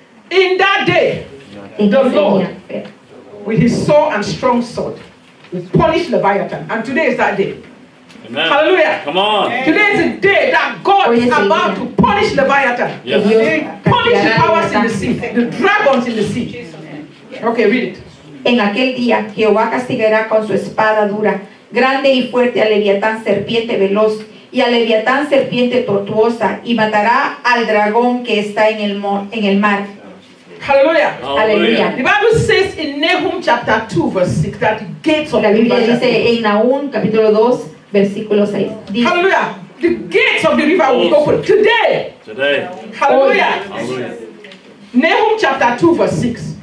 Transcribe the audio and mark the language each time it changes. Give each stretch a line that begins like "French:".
English: In that day, the Lord, with his sword and strong sword, will punish Leviathan. And today is that day. Amen. Hallelujah. Come on. Today is the day that God is about to punish Leviathan. Yes. He punish the powers in the sea, the dragons in the sea. Okay, read it.
Spanish: En aquel día, Jehová castigará con su espada dura, grande y fuerte a Leviatán, serpiente veloz, y a Leviatán, serpiente tortuosa, y matará al dragón que está en el mar.
English: Hallelujah. Hallelujah. The Bible says in Nahum chapter 2 verse 6 that the gates of
Spanish: la Biblia
English: the river
Spanish: dice en Nahum capítulo 2 versículo 6. Dice, hallelujah.
English: The gates of the river will be open today. Today. Hallelujah. Nahum chapter 2 verse 6.